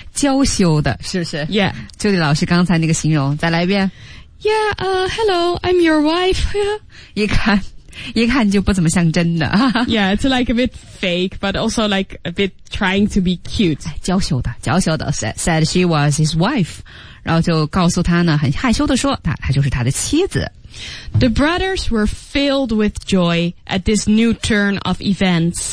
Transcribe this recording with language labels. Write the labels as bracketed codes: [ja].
[zh] 娇羞的，是不是？ [en] Yeah. [zh] 就李老师刚才那个形容，再来一遍。 [en] Yeah, hello, I'm your wife. [zh] 一看。一看就不怎么像真的。 [en] Yeah, it's like a bit fake, but also like a bit trying to be cute. [zh] 娇羞的，娇羞的 [en] said she was his wife. [zh] 然后就告诉他呢，很害羞的说，她就是他的妻子。 [en] The brothers were filled with joy at this new turn of events.